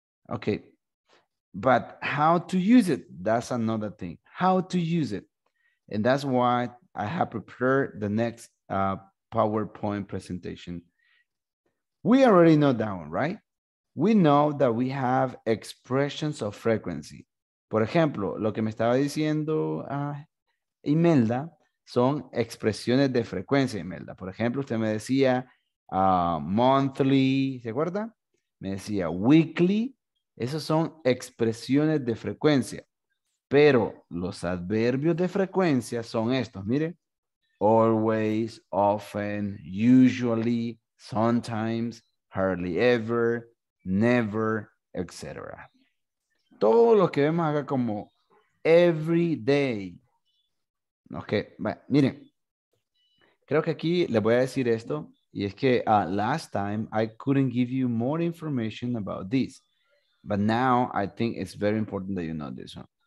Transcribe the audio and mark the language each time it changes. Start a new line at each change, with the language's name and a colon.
English: Okay, but how to use it? That's another thing. How to use it? And that's why I have prepared the next PowerPoint presentation. We already know that one, right? We know that we have expressions of frequency.
Spanish: Por ejemplo, lo que me estaba diciendo Imelda son expresiones de frecuencia, Imelda. Por ejemplo, usted me decía monthly, ¿se acuerda? Me decía weekly. Esas son expresiones de frecuencia. Pero los adverbios de frecuencia son estos, mire.
English: Always, often, usually, sometimes, hardly ever, never, etc.
Spanish: Todo lo que vemos acá como every day. Ok, bueno, miren. Creo que aquí les voy a decir esto. Y es que
English: last time I couldn't give you more information about this. But now I think it's very important that you know this one.